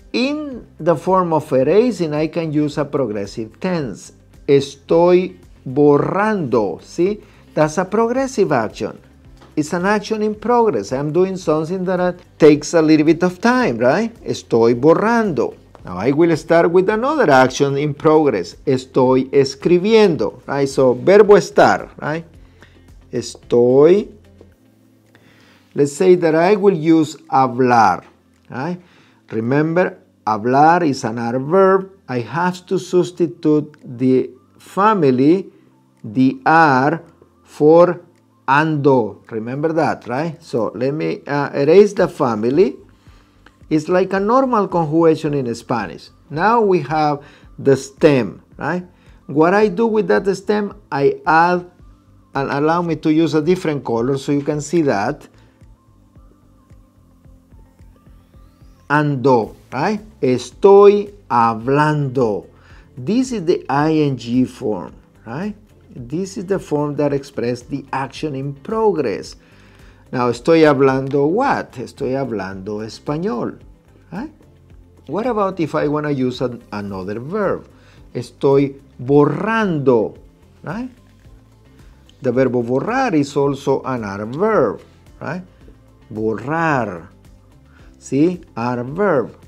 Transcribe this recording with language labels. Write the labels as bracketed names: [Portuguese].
[English] In the form of erasing, I can use a progressive tense. [Spanish] Estoy borrando, [English] see? That's a progressive action. It's an action in progress. I'm doing something that takes a little bit of time, right? [Spanish] Estoy borrando. [English] Now I will start with another action in progress. [Spanish] Estoy escribiendo, [English] right? So verbo estar, right? [Spanish] Estoy. [English] Let's say that I will use hablar, right? Remember, hablar is an adverb. I have to substitute the family, the ar, for ando. Remember that, right? So let me erase the family. It's like a normal conjugation in Spanish. Now we have the stem, right? What I do with that stem, I add, and allow me to use a different color so you can see that. [Spanish] Ando, [English] right? [Spanish] Estoy hablando. [English] This is the ing form, right? This is the form that expresses the action in progress. Now, [Spanish] estoy hablando [English] what? [Spanish] Estoy hablando español. [English] Right? What about if I want to use another verb? [Spanish] Estoy borrando. [English] Right? The verb borrar is also an adverb. Right? Borrar. See? Adverb.